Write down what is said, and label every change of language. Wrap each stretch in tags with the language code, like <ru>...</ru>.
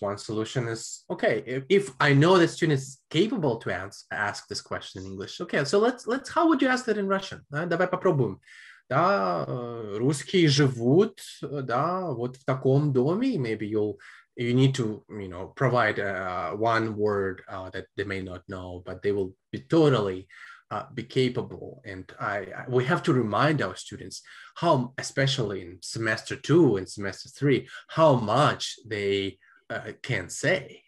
<en>One solution is, okay, if I know the student is capable to ask this question in English, okay, so let's how would you ask that in Russian?</en> <ru>Давай попробуем. Да, русские живут, да, вот в таком доме.</ru> <en>Maybe you need to, you know, provide one word that they may not know, but they will be totally be capable. And we have to remind our students how, especially in semester two and semester three, how much they can say.</en>